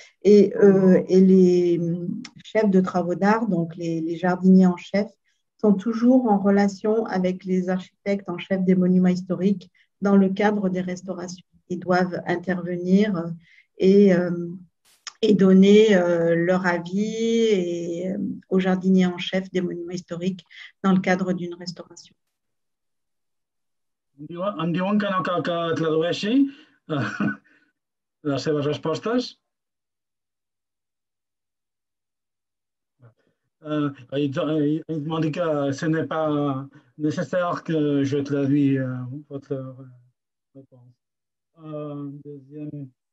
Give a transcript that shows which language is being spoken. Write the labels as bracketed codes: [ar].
[fr] Et les chefs de travaux d'art, donc les jardiniers en chef, sont toujours en relation avec les architectes en chef des monuments historiques dans le cadre des restaurations. Ils doivent intervenir et donner leur avis aux jardiniers en chef des monuments historiques dans le cadre d'une restauration. [ca] Em diuen que no cal que tradueixi les seves respostes. [fr] Ils m'ont dit que ce n'est pas nécessaire que je traduis votre réponse. Deuxième.